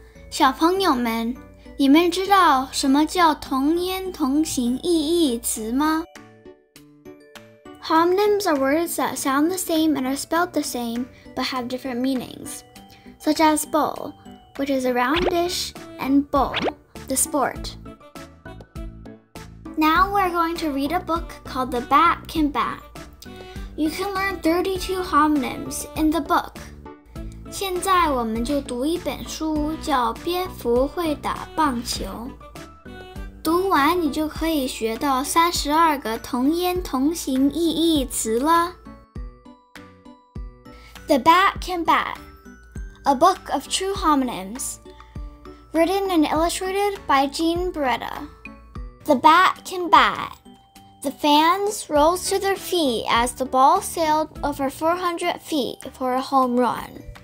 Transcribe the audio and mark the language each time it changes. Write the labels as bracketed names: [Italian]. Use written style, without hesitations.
[Chinese] 小朋友们，你们知道什么叫同音同形异义词吗？ [English] Homonyms are words that sound the same and are spelled the same, but have different meanings, such as bowl, which is a roundish, and bowl, the sport. Now we're going to read a book called The Bat Can Bat. You can learn 32 homonyms in the book. [Chinese] 现在我们就读一本书叫《蝙蝠会打棒球》。读完你就可以学到32个同音同形异义词了。 [English] The Bat Can Bat, A Book of True Homonyms, Written and Illustrated by Gene Barretta. The Bat Can Bat. The fans rose to their feet as the ball sailed over 400 feet for a home run.